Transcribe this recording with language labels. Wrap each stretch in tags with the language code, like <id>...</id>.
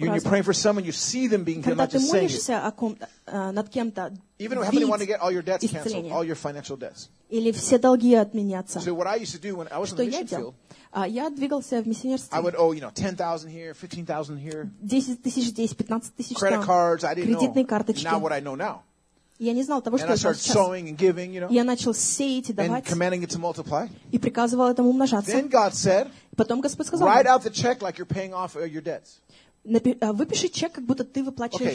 <en>You're praying for someone, you see them being healed, not just saying it.</en> <ru>Когда ты молишься о ком-то, над кем-то, видеть исцеление.</ru> <en>Even how many want to get all your debts canceled, all your financial debts.</en> <ru>Или все долги отменятся.</ru> <en>So what I used to do when I was in the mission field.</en> <ru>Я двигался в миссионерстве.</ru> <en>I would owe, 10,000 here, 15,000 here.</en> <ru>10,000 здесь, 15,000 там.</ru> <en>Credit cards, I didn't know.</en> <ru>Кредитные карточки.</ru> <en>Now what I know now.</en> <ru>Я не знал того, что я знал сейчас.</ru> <en>Giving,</en> <ru>я начал сеять и давать.</ru> <en>Commanding it to multiply.</en> <ru>И приказывал этому умножаться.</ru> <en>Then God said,</en> <ru>потом Господь сказал,</ru> <en>write out the check like you're paying off your debts.</en> <ru>Выпиши чек, как будто ты выплачиваешь</ru>